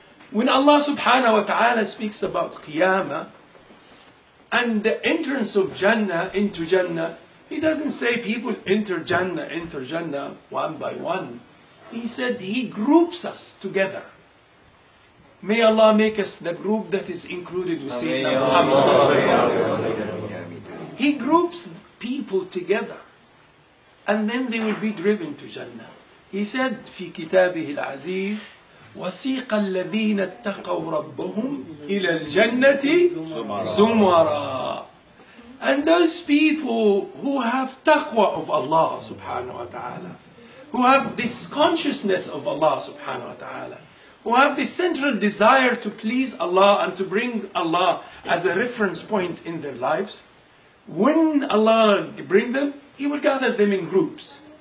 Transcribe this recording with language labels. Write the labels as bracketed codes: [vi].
[en] When Allah subhanahu wa ta'ala speaks about qiyamah and the entrance of Jannah into Jannah, he doesn't say people enter Jannah one by one. He said he groups us together. May Allah make us the group that is included with Sayyidina Muhammad. He groups people together. And then they will be driven to Jannah. He said, [ar] في كتابه العزيز, وسيق الذين اتقوا ربهم إلى الجنة زمرا. [en] And those people who have taqwa of Allah subhanahu wa ta'ala, who have this consciousness of Allah subhanahu wa ta'ala, who have this central desire to please Allah and to bring Allah as a reference point in their lives, when Allah bring them, he will gather them in groups.